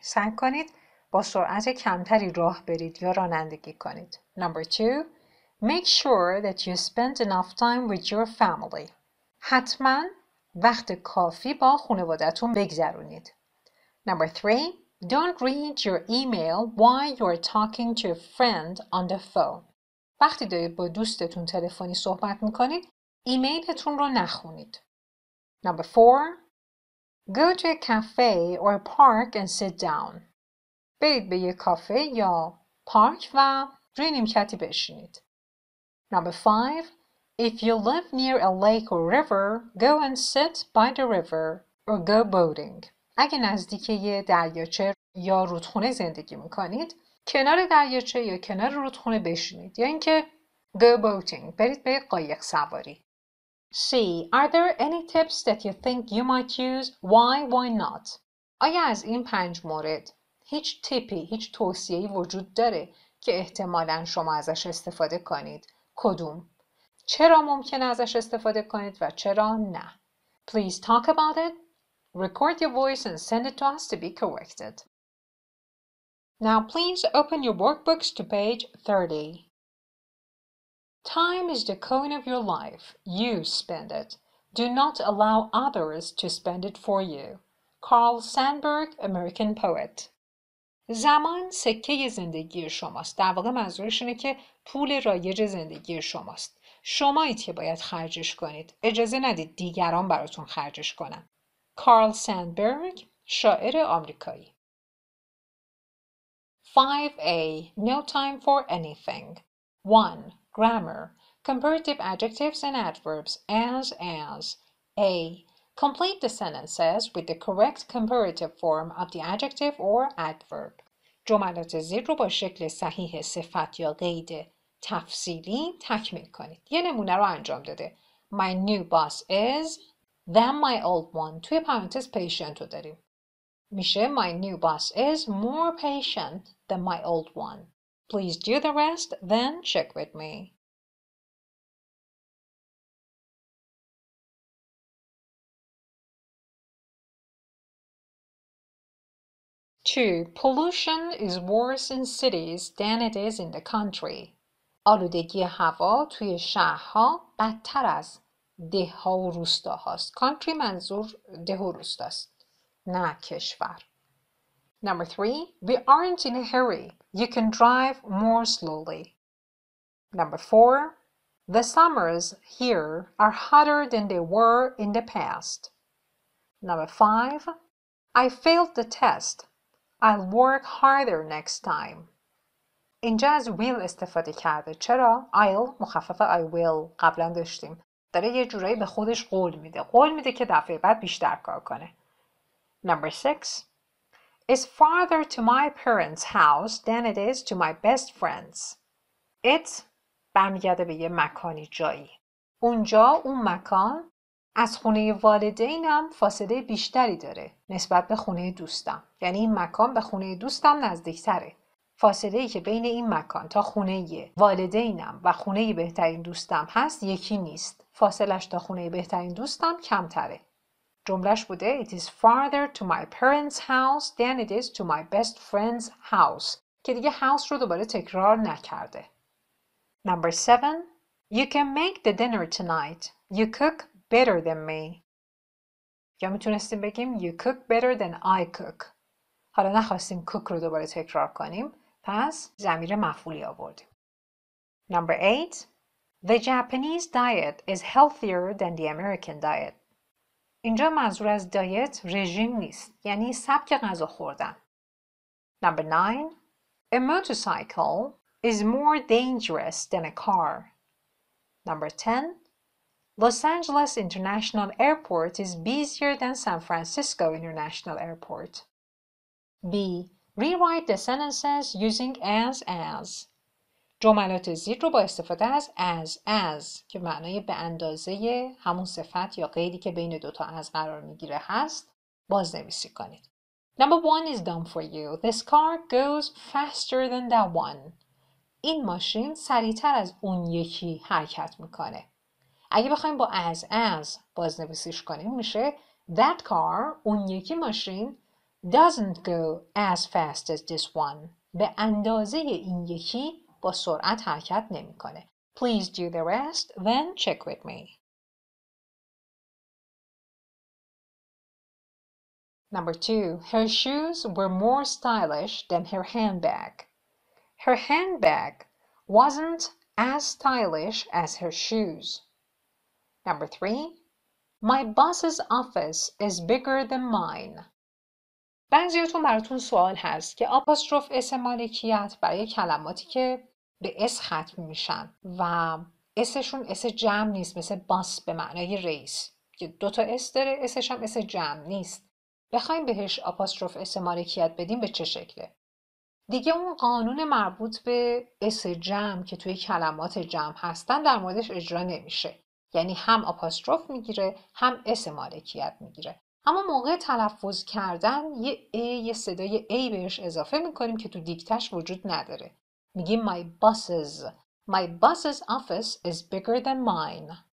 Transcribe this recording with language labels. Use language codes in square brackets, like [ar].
[fa] سعی کنید با سرعت کمتری راه برید یا رانندگی کنید. [en] Number two, make sure that you spend enough time with your family. [fa] حتما وقت کافی با خانوادتون بگذرونید. [en] Number three, don't read your email while you're talking to a friend on the phone. [fa] وقتی دارید با دوستتون تلفنی صحبت میکنید, ایمیلتون رو نخونید. [en] Number four, go to a cafe or a park and sit down. [fa] برید به یک کافه یا پارک و روی نیمکتی بشینید. [en] Number five, if you live near a lake or river, go and sit by the river or go boating. [fa] اگه نزدیک یه دریاچه یا رودخونه زندگی میکنید, کنار دریاچه یا کنار رودخونه بشینید یا اینکه [en] go boating [fa] برید به قایق سواری. [en] C. Are there any tips that you think you might use? Why not? [fa] آیا از این پنج مورد هیچ تیپی، هیچ توصیه‌ای وجود داره که احتمالاً شما ازش استفاده کنید؟ کدوم؟ چرا ممکن ازش استفاده کنید و چرا نه؟ [en] Please talk about it. Record your voice and send it to us to be corrected. Now please open your workbooks to page 30. Time is the coin of your life. You spend it. Do not allow others to spend it for you. Carl Sandburg, American poet. [fa] زمان سکه زندگی شماست. در واقع منظورش اینه که پول رایج زندگی شماست. شمایید که باید خرجش کنید. اجازه ندید دیگران براتون خرجش کنن. کارل سندبرگ، شاعر آمریکایی. [en] 5A No time for anything. 1. Grammar. Comparative adjectives and adverbs as. A. Complete the sentences with the correct comparative form of the adjective or adverb. [fa] جملات زیر رو با شکل صحیح صفت یا قید تفصیلی تکمیل کنید. یه نمونه رو انجام داده. [en] My new boss is then my old one. [fa] توی پرانتز پیشنت رو داریم. میشه [en] my new boss is more patient than my old one. Please do the rest, then check with me. Two, pollution is worse in cities than it is in the country. [fa] آلودگی هوا توی شهرها بدتر از ده و روستاهاست. Country منظور ده و روستاست. نه کشور. [en] Number three, we aren't in a hurry. You can drive more slowly. Number four, the summers here are hotter than they were in the past. Number five, I failed the test. I'll work harder next time. [fa] اینجا از will استفاده کرده. چرا؟ [en] I'll [fa] مخفف [en] I will [fa] قبلا داشتیم. داره یه جورایی به خودش قول میده. قول میده که دفعه بعد بیشتر کار کنه. [en] Number six. It's farther to my parents' house than it is to my best friends. [fa] It's برمیگرده به یه مکانی جایی. اونجا اون مکان از خونه والدینم فاصله بیشتری داره نسبت به خونه دوستم. یعنی این مکان به خونه دوستم نزدیکتره. فاصله ای که بین این مکان تا خونه والدینم و خونه بهترین دوستم هست یکی نیست. فاصلش تا خونه بهترین دوستم کمتره. جملهش بوده [en] It is farther to my parents' house than it is to my best friend's house. [fa] که دیگه house رو دوباره تکرار نکرده. [en] Number 7. You can make the dinner tonight. You cook better than me. [fa] یا میتونستیم بگیم [en] You cook better than I cook. [fa] حالا نخواستیم cook رو دوباره تکرار کنیم. پس ضمیر مفعولی آوردیم. [en] Number 8. The Japanese diet is healthier than the American diet. [fa] اینجا منظور از دایت رژیم نیست. یعنی سبک غذا خوردن. [en] Number 9. A motorcycle is more dangerous than a car. Number 10. Los Angeles International Airport is busier than San Francisco International Airport. B. Rewrite the sentences using as. [fa] جملات زیر رو با استفاده از as که معنای به اندازه همون صفت یا قیدی که بین دوتا از قرار میگیره هست بازنویسی کنید. [en] Number 1 is done for you. This car goes faster than that one. [fa] این ماشین سریعتر از اون یکی حرکت میکنه. اگه بخوایم با [en] as [fa] بازنویسیش کنیم میشه [en] That car, [fa] اون یکی ماشین, [en] doesn't go as fast as this one. [fa] به اندازه این یکی با سرعت حرکت نمی کنه. [en] Please do the rest, then check with me. Number 2. Her shoes were more stylish than her handbag. Her handbag wasn't as stylish as her shoes. Number 3. My boss's office is bigger than mine. [fa] بعضیاتون براتون سوال هست که آپاستروف اس مالکیت برای کلماتی که به اس ختم میشن و اسشون اس جمع نیست مثل باس به معنای رئیس که دو تا اس داره اسش هم اس جمع نیست بخوایم بهش آپاستروف اس مالکیت بدیم به چه شکله دیگه اون قانون مربوط به اس جمع که توی کلمات جمع هستن در موردش اجرا نمیشه. یعنی هم آپاستروف میگیره هم اس مالکیت میگیره. اما موقع تلفظ کردن یه ای، یه صدای ای بهش اضافه میکنیم که تو دیکتش وجود نداره. میگیم [en] My boss's office is bigger than mine.